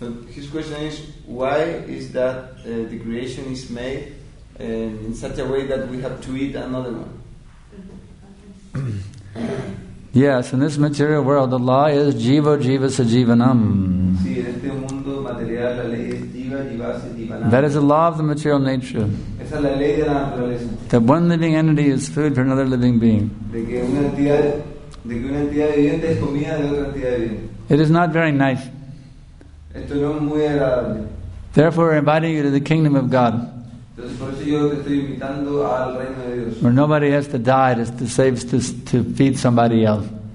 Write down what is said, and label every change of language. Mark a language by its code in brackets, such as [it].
[en] His question is, why is that the creation is made in such a way that we have to eat another one? Yes, in this material world, the law is [sa] jiva jiva sajivanam. [es] Sí, en este mundo material, la ley es [sa] jiva, jiva, [en] that is the law of the material nature. [es] Esa es la ley de la naturaleza. [en] That one living entity is food for another living being. [es] De que una entidad viviente es comida de otra entidad viviente. [en] It is not very nice. [es] Esto no es muy agradable. [en] Therefore, we're inviting you to the kingdom of God. Where nobody has to die to feed somebody else.